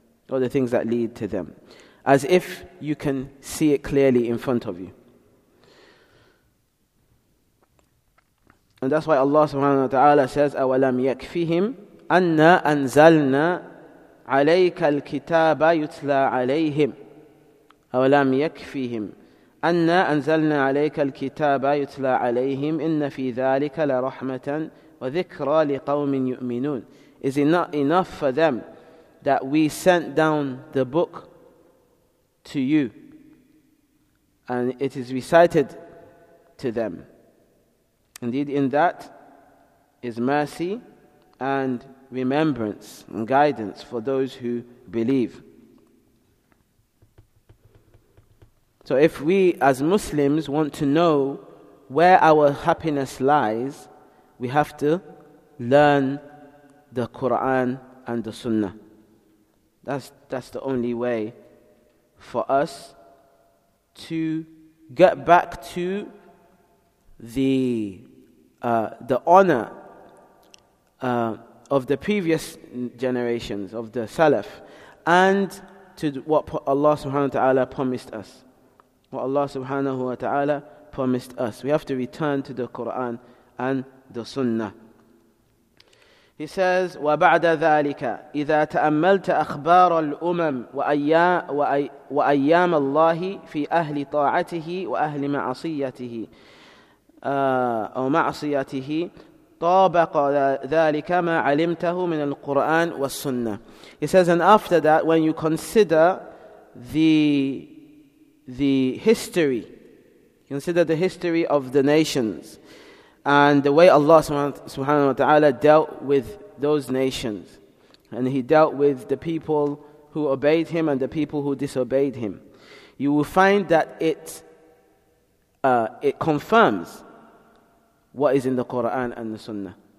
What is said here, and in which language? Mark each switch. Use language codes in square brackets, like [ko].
[en] All the things that lead to them. As if you can see it clearly in front of you. And that's why Allah subhanahu wa ta'ala says, [ar] أَوَلَمْ يَكْفِهِمْ أَنَّا أَنزَلْنَا عَلَيْكَ الْكِتَابَ يُتْلَى عَلَيْهِمْ أَوَلَمْ يَكْفِهِمْ أَنَّا أَنزَلْنَا عَلَيْكَ الْكِتَابَ يُتْلَى عَلَيْهِمْ إِنَّ فِي ذَلِكَ لَرَحْمَةً وَذِكْرَى لِقَوْمٍ يُؤْمِنُونَ. [en] Is it not enough for them that we sent down the book to you and it is recited to them? Indeed, in that is mercy and remembrance and guidance for those who believe. So if we as Muslims want to know where our happiness lies, we have to learn the Quran and the Sunnah. That's the only way for us to get back to the honor of the previous generations, of the Salaf, and to what Allah subhanahu wa ta'ala promised us. What Allah subhanahu wa ta'ala promised us. We have to return to the Quran and the Sunnah. He says, [ar] وَبَعْدَ ذَٰلِكَ إِذَا تَأَمَّلْتَ أَخْبَارَ الْأُمَمِ وَأَيَّامَ اللَّهِ فِي أَهْلِ طَاعَتِهِ وَأَهْلِ مَعَصِيَّتِهِ أو معصيته طابق ذلك ما علمته من القرآن والسنة. [en] He says, and after that, when you consider the history, consider the history of the nations and the way Allah subhanahu wa ta'ala dealt with those nations, and He dealt with the people who obeyed Him and the people who disobeyed Him, you will find that it confirms what is in the Quran and the Sunnah.